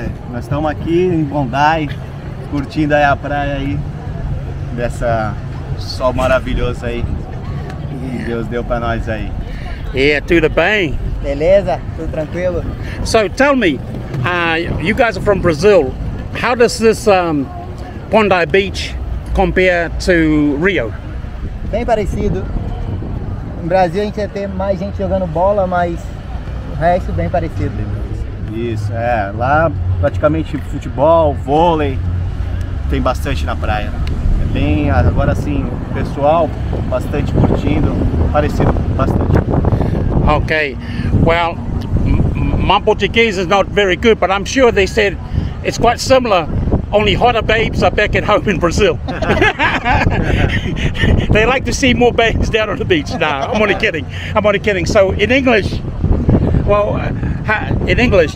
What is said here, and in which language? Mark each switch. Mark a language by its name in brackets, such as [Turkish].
[Portuguese] Nós estamos aqui em Bondi, curtindo aí a praia aí, dessa sol maravilhoso aí que Deus deu para nós aí. Yeah, tudo bem? Beleza, tudo tranquilo. [English] So tell me, you guys are from Brazil. How does this Bondi Beach compared to Rio? [Portuguese] Bem parecido. No Brasil a gente ia ter mais gente jogando bola, mas o resto bem parecido. Isso, é. Lá praticamente futebol, vôlei, tem bastante na praia. É bem, agora sim, o pessoal bastante curtindo, parecido bastante. [English] Ok. Well, my Portuguese is not very good, but I'm sure they said it's quite similar. Only hotter babes are back at home in Brazil. They like to see more babes down on the beach. Nah, I'm only kidding. I'm only kidding. So in English, well, in English.